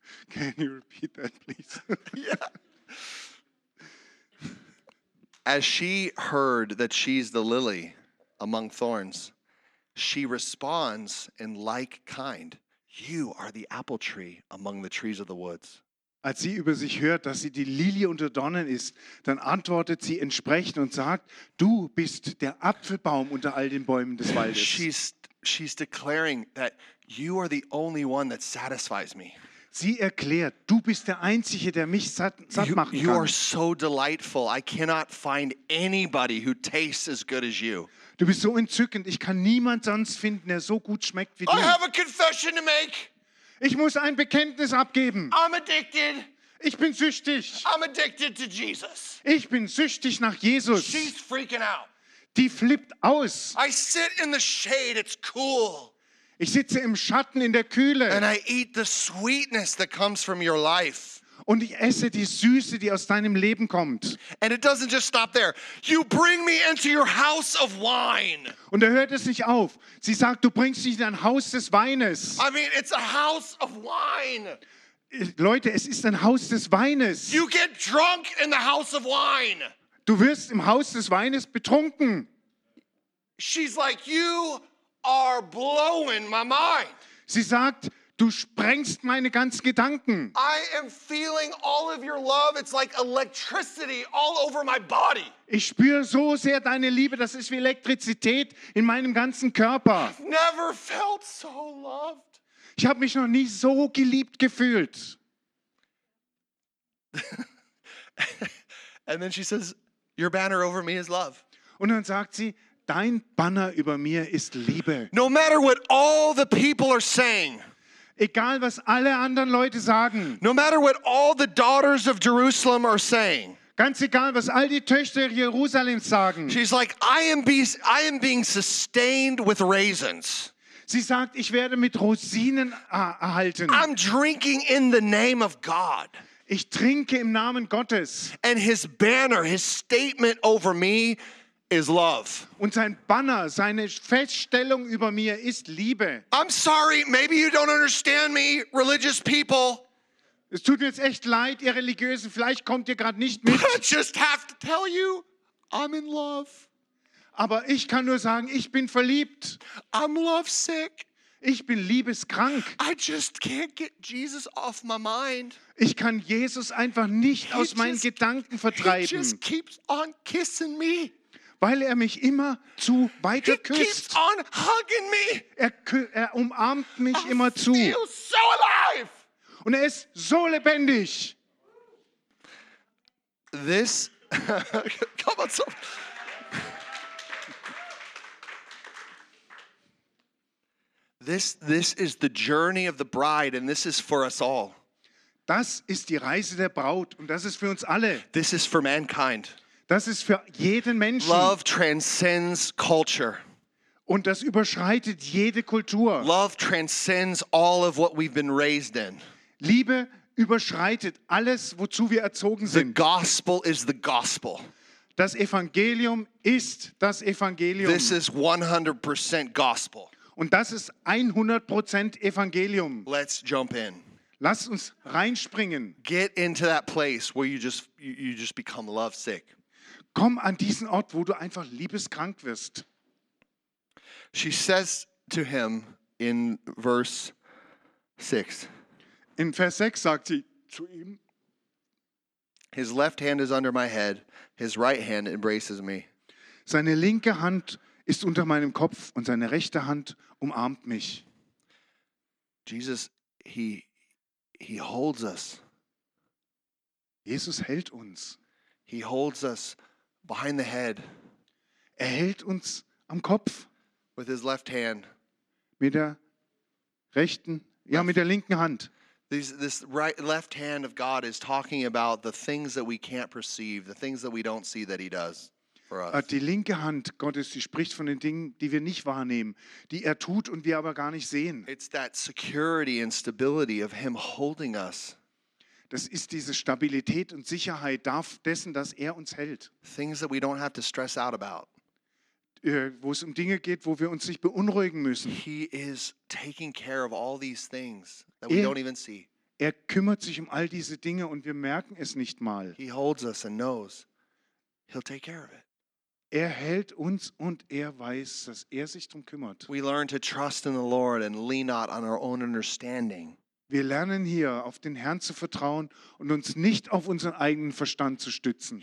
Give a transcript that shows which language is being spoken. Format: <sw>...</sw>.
<en>Can you repeat that, please? Yeah. As she heard that she's the lily among thorns, she responds in like kind, you are the apple tree among the trees of the woods.</en> <de>Als sie über sich hört, dass sie die Lilie unter Dornen ist, dann antwortet sie entsprechend und sagt, du bist der Apfelbaum unter all den Bäumen des Waldes.</de> <en>She's declaring that you are the only one that satisfies me.</en> <de>Sie erklärt, du bist der Einzige, der mich satt machen kann.</de> <en>You are so delightful. I cannot find anybody who tastes as good as you.</en> <de>Du bist so entzückend. Ich kann niemand sonst finden, der so gut schmeckt wie du.</de> <en>I have a confession to make.</en> <de>Ich muss ein Bekenntnis abgeben.</de> <en>I'm addicted.</en> <de>Ich bin süchtig.</de> <en>I'm addicted to Jesus.</en> <de>Ich bin süchtig nach Jesus.</de> <en>She's freaking out.</en> <de>Die flippt aus.</de> <en>I sit in the shade. It's cool.</en> <de>Ich sitze im Schatten in der Kühle.</de> <en>And I eat the sweetness that comes from your life.</en> <de>Und ich esse die Süße, die aus deinem Leben kommt.</de> <en>And it doesn't just stop there. You bring me into your house of wine.</en> <de>Und da hört es nicht auf. Sie sagt, du bringst mich in ein Haus des Weines.</de> <en>I mean, it's a house of wine.</en> <de>Leute, es ist ein Haus des Weines.</de> <en>You get drunk in the house of wine.</en> <de>Du wirst im Haus des Weines betrunken.</de> <en>She's like, you are blowing my mind.</en> <de>Sie sagt, du sprengst meine ganzen Gedanken.</de> <en>I am feeling all of your love. It's like electricity all over my body.</en> <de>Ich spüre so sehr deine Liebe. Das ist wie Elektrizität in meinem ganzen Körper.</de> <en>I've never felt so loved.</en> <de>Ich habe mich noch nie so geliebt gefühlt.</de> <en>And then she says, your banner over me is love.</en> <de>Und dann sagt sie, dein Banner über mir ist Liebe.</de> <en>No matter what all the people are saying.</en> <de>Egal was alle anderen Leute sagen.</de> <en>No matter what all the daughters of Jerusalem are saying.</en> <de>Ganz egal was all die Töchter Jerusalems sagen.</de> <en>She's like, I am being sustained with raisins.</en> <de>Sie sagt, ich werde mit Rosinen erhalten.</de> <en>I'm drinking in the name of God.</en> <de>Ich trinke im Namen Gottes.</de> <en>And his banner, his statement over me is love.</en> <de>Und sein Banner, seine Feststellung über mir ist Liebe.</de> <en>I'm sorry, maybe you don't understand me, religious people.</en> <de>Es tut mir jetzt echt leid, ihr Religiösen, vielleicht kommt ihr gerade nicht mit.</de> <en>I just have to tell you, I'm in love.</en> <de>Aber ich kann nur sagen, ich bin verliebt.</de> <en>I'm lovesick.</en> <de>Ich bin liebeskrank.</de> <en>I just can't get Jesus off my mind.</en> <de>Ich kann Jesus einfach nicht aus meinen Gedanken vertreiben.</de> <en>He just keeps on kissing me.</en> <de>Weil er mich immer zu weiter küsst.</de> <en>He keeps on hugging me.</en> <de>Er umarmt mich</de> <en>I</en> <de>immer zu.</de> <en>Feel so alive.</en> <de>Und er ist so lebendig.</de> <en>This come on, so. This is the journey of the bride, and this is for us all.</en> <de>Das ist die Reise der Braut, und das ist für uns alle.</de> <en>This is for mankind.</en> <de>Das ist für jeden Menschen.</de> <en>Love transcends culture.</en> <de>Und das überschreitet jede Kultur.</de> <en>Love transcends all of what we've been raised in.</en> <de>Liebe überschreitet alles, wozu wir erzogen sind.</de> <en>The gospel is the gospel.</en> <de>Das Evangelium ist das Evangelium.</de> <en>This is 100% gospel.</en> <de>Und das ist 100% Evangelium.</de> <en>Let's jump in.</en> <de>Lass uns reinspringen.</de> <en>Get into that place where you just become lovesick.</en> <de>Komm an diesen Ort, wo du einfach liebeskrank wirst.</de> <en>She says to him in verse 6.</en> <de>In Vers 6 sagt sie zu ihm:</de> <en>His left hand is under my head, his right hand embraces me.</en> <de>Seine linke Hand ist unter meinem Kopf und seine rechte Hand umarmt mich.</de> <en>Jesus, he holds us.</en> <de>Jesus hält uns.</de> <en>He holds us behind the head.</en> <de>Er hält uns am Kopf.</de> <en>With his left hand.</en> <de>Mit der rechten, ja, mit der linken Hand.</de> <en>This right, left hand of God is talking about the things that we can't perceive, the things that we don't see that he does for us.</en> <de>Die linke Hand Gottes, die spricht von den Dingen, die wir nicht wahrnehmen, die er tut und wir aber gar nicht sehen.</de> <en>It's that security and stability of him holding us.</en> <de>Das ist diese Stabilität und Sicherheit dessen, dass er uns hält.</de> <en>Things that we don't have to stress out about.</en> <de>Wo es um Dinge geht, wo wir uns nicht beunruhigen müssen.</de> <en>He is taking care of all these things that we don't even see.</en> <de>Er kümmert sich um all diese Dinge und wir merken es nicht mal.</de> <en>He holds us and knows he'll take care of it.</en> <de>Er hält uns und er weiß, dass er sich drum kümmert.</de> <en>We learn to trust in the Lord and lean not on our own understanding.</en> <de>Wir lernen hier, auf den Herrn zu vertrauen und uns nicht auf unseren eigenen Verstand zu stützen.</de>